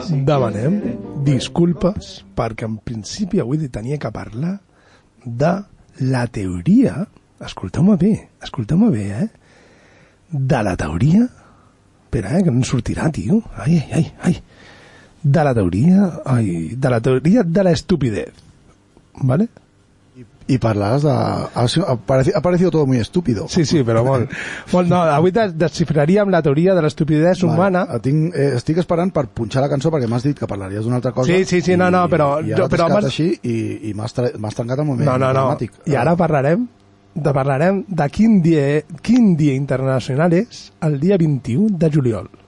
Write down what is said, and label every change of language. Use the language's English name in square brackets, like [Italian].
[Catalan] Demanem disculpes perquè en principi avui tenia que parlar de la teoria, escolteu-me bé, eh? De la teoria, espera, que no sortirà, tio, ai, de la teoria, ai, de la teoria de la estupidez, ¿vale? I parlaves de... [Spanish] Ha parecido todo muy estúpido. [Catalan] Sí, sí, però molt. Molt, no, avui desxifraríem la teoria de l'estupidez vale, humana. Tinc, estic esperant per punxar la cançó perquè m'has dit que parlaries d'una altra cosa. Sí, sí, sí, no, però... I ara t'has quedat així i m'has trencat el moment dramàtic. No. I ara parlarem de quin dia internacional és el dia 21 de juliol.